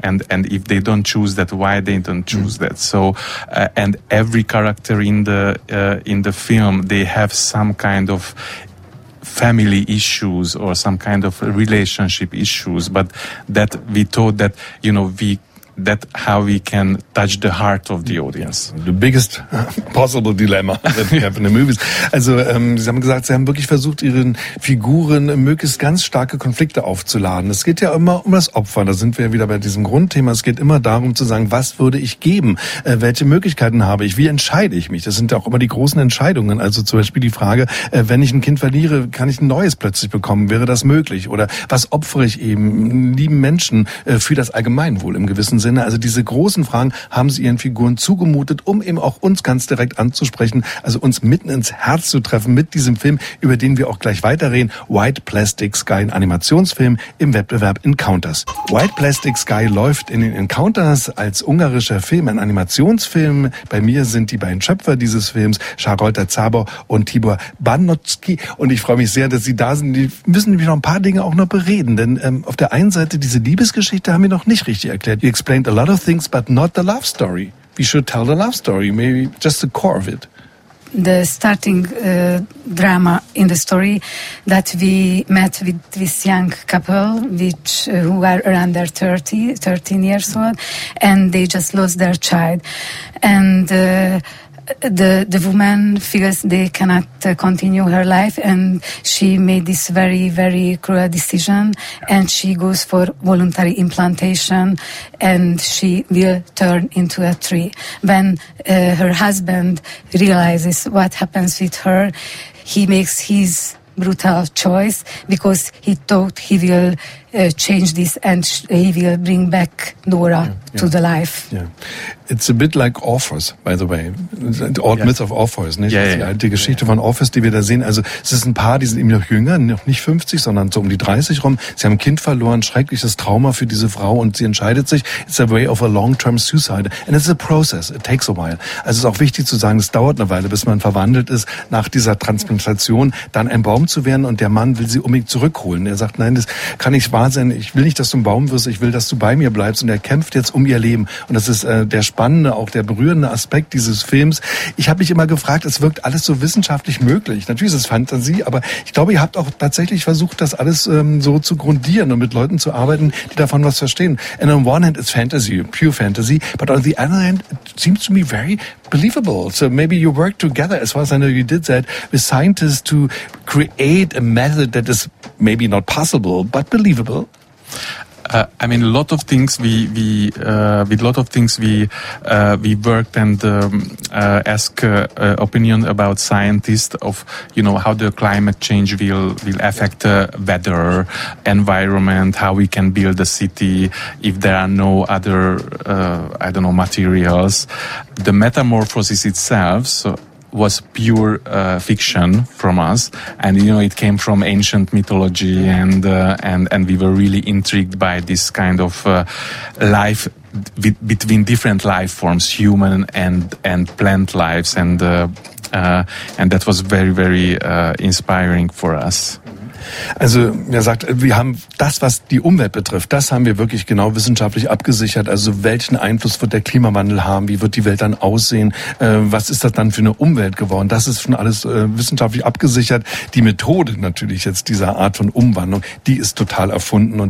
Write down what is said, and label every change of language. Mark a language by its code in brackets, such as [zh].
[en] And if they don't choose that, why they don't choose that? So, and every character in the film, they have some kind of family issues or some kind of relationship issues. But that we thought that, you know, that how we can touch the heart of the audience. The biggest possible dilemma that we have in the movies. [de] Also, Sie haben gesagt, Sie haben wirklich versucht, Ihren Figuren möglichst ganz starke Konflikte aufzuladen. Es geht ja immer um das Opfer. Da sind wir ja wieder bei diesem Grundthema. Es geht immer darum zu sagen, was würde ich geben? Welche Möglichkeiten habe ich? Wie entscheide ich mich? Das sind ja auch immer die großen Entscheidungen. Also zum Beispiel die Frage, wenn ich ein Kind verliere, kann ich ein neues plötzlich bekommen? Wäre das möglich? Oder was opfere ich eben lieben Menschen für das Allgemeinwohl im gewissen Sinne. Also diese großen Fragen haben sie ihren Figuren zugemutet, um eben auch uns ganz direkt anzusprechen, also uns mitten ins Herz zu treffen mit diesem Film, über den wir auch gleich weiterreden. White Plastic Sky, ein Animationsfilm im Wettbewerb Encounters. White Plastic Sky läuft in den Encounters als ungarischer Film, ein Animationsfilm. Bei mir sind die beiden Schöpfer dieses Films, Charolta Czabor und Tibor Banocki. Und ich freue mich sehr, dass Sie da sind. Die müssen nämlich noch ein paar Dinge auch noch bereden, denn auf der einen Seite diese Liebesgeschichte haben wir noch nicht richtig erklärt. [en] You explained a lot of things, but not the love story. We should tell the love story, maybe just the core of it. The starting drama in the story that we met with this young couple, who are around their 13 years old, and they just lost their child. And the woman feels they cannot continue her life, and she made this very, very cruel decision, and she goes for voluntary implantation, and she will turn into a tree. When her husband realizes what happens with her, he makes his brutal choice, because he thought he will change this and he will bring back Nora to the life. Yeah. It's a bit like Orpheus, by the way. The old myth of Orpheus, nicht? [de] Die Geschichte von Orpheus, die wir da sehen. Also es ist ein Paar, die sind eben noch jünger, noch nicht 50, sondern so um die 30 rum. Sie haben ein Kind verloren, schreckliches Trauma für diese Frau und sie entscheidet sich. [en] It's a way of a long-term suicide. And it's a process. It takes a while. [de] Also es ist auch wichtig zu sagen, es dauert eine Weile, bis man verwandelt ist, nach dieser Transplantation dann ein Baum zu werden, und der Mann will sie unbedingt zurückholen. Er sagt, nein, das kann ich Wahnsinn, ich will nicht, dass du ein Baum wirst, ich will, dass du bei mir bleibst, und er kämpft jetzt um ihr Leben. Und das ist der spannende, auch der berührende Aspekt dieses Films. Ich habe mich immer gefragt, es wirkt alles so wissenschaftlich möglich. Natürlich ist es Fantasie, aber ich glaube, ihr habt auch tatsächlich versucht, das alles so zu grundieren und mit Leuten zu arbeiten, die davon was verstehen. [en] And on one hand it's fantasy, pure fantasy, but on the other hand it seems to me very believable. So maybe you work together, as far as I know you did that, with scientists to create a method that is maybe not possible, but believable. I mean, a lot of things we worked and asked opinion about scientists of, you know, how the climate change will affect the weather, environment, how we can build a city if there are no other materials. The metamorphosis itself, so was pure fiction from us, and you know, it came from ancient mythology, and we were really intrigued by this kind of life between different life forms, human and plant lives, and that was very, very inspiring for us. [de] Also, er sagt, wir haben das, was die Umwelt betrifft, das haben wir wirklich genau wissenschaftlich abgesichert. Also, welchen Einfluss wird der Klimawandel haben? Wie wird die Welt dann aussehen? Was ist das dann für eine Umwelt geworden? Das ist schon alles wissenschaftlich abgesichert. Die Methode natürlich jetzt dieser Art von Umwandlung, die ist total erfunden.